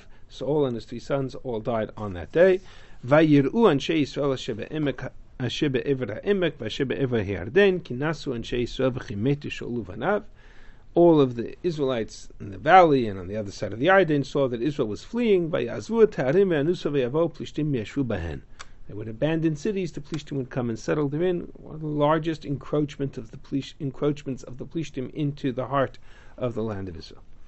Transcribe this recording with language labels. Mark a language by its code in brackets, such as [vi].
[en] Saul and his three sons all died on that day. [he] Vayiru anshei Yisrael asher be'emek אשר בעבר העמק ואשר בעבר הירדן כי נסו אנשי ישראל וכימתו שאול ובניו. [en] All of the Israelites in the valley and on the other side of the Yarden saw that Israel was fleeing. [he] ויעזבו את הערים ואנוסו ויבואו פלישתים וישבו בהן. [en] They would abandon cities, the Plishtim would come and settle therein. One of the largest encroachments of the Plishtim into the heart of the land of Israel.